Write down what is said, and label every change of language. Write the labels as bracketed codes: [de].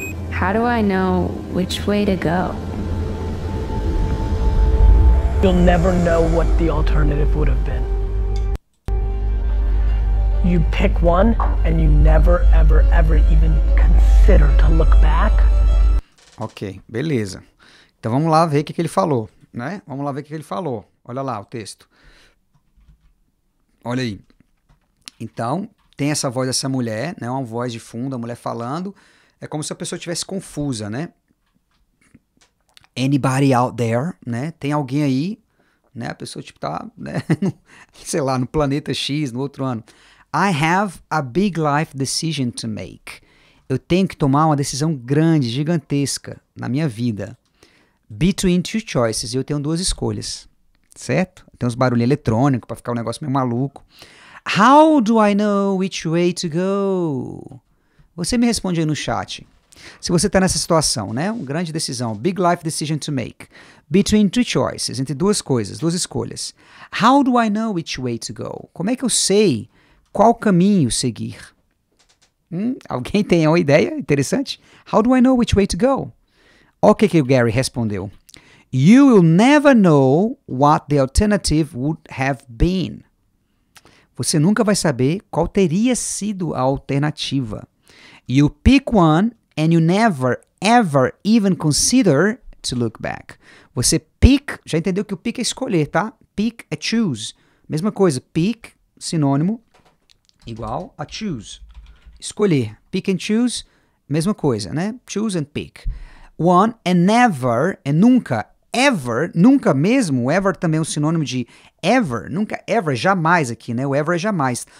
[en] How do I know which way to go? You'll never know what the alternative would have been. You pick one and you never, ever, ever even consider to look back. [pt] Ok, beleza. Então vamos lá ver o que, que ele falou, né? Vamos lá ver o que, que ele falou. Olha lá o texto. Olha aí. Então, tem essa voz dessa mulher, né? Uma voz de fundo, a mulher falando. É como se a pessoa estivesse confusa, né? [en] Anybody out there, [pt] né? Tem alguém aí, né? A pessoa, tipo, tá, né? No, sei lá, no planeta X, no outro ano. [en] I have a big life decision to make. [pt] Eu tenho que tomar uma decisão grande, gigantesca, na minha vida. [en] Between two choices. [pt] Eu tenho duas escolhas, certo? Tem uns barulhinhos eletrônicos pra ficar um negócio meio maluco. [en] How do I know which way to go? [pt] Você me responde aí no chat. Se você tá nessa situação, né? Uma grande decisão. [en] Big life decision to make. Between two choices. [pt] Entre duas coisas, duas escolhas. [en] How do I know which way to go? [pt] Como é que eu sei qual caminho seguir? Alguém tem uma ideia interessante? [en] How do I know which way to go? [pt] Olha o que, que o Gary respondeu. [en] You will never know what the alternative would have been. [pt] Você nunca vai saber qual teria sido a alternativa. [en] You pick one and you never, ever even consider to look back. [pt] Você pick, já entendeu que o pick é escolher, tá? Pick é choose. Mesma coisa, pick, sinônimo, igual a choose. Escolher, pick and choose, mesma coisa, né? Choose and pick. One and never, é nunca, ever, nunca mesmo, ever também é um sinônimo de ever, nunca, ever, jamais aqui, né? O ever é jamais.